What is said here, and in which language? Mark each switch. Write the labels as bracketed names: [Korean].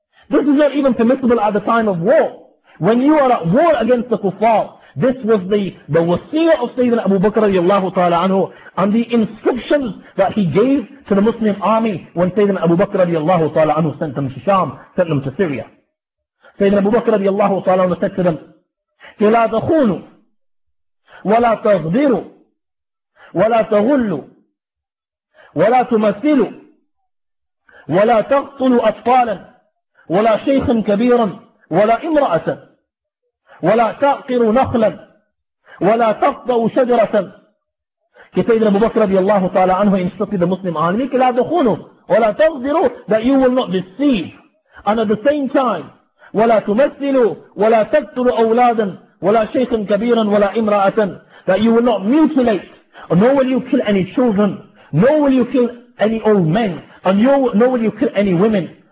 [English] This is not even permissible at the time of war. When you are at war against the kuffar, this was the wasiyah of Sayyidina Abu Bakr radiallahu ta'ala anhu, and the instructions that he gave to the Muslim army when Sayyidina Abu Bakr radiallahu ta'ala anhu sent them to Sham, sent them to Syria. Sayyidina Abu Bakr radiallahu ta'ala anhu said to them, [Arabic] لَا تَخُونُوا وَلَا تَغْدِرُوا وَلَا تَغُلُّوا وَلَا تُمَثِّلُوا وَلَا تَغْطُلُوا أَطْفَالًا وَلَا شَيْخًا كَبِيرًا وَلَا إِمْرَأَةً ولا تعقر نخلا ولا تقطع شجرة. سيدنا أبو بكر رضي الله تعالى عنه [English] instructed the Muslim army, [Arabic] لا تخونوا ولا تغدروا, [English] that you will not deceive, and at the same time [Arabic] ولا تمثلوا ولا تقتلوا أولادا ولا شيخا كبيرا ولا امرأة, [English] that you will not mutilate, or nor will you kill any children, nor will you kill any old men, and nor will you kill any women.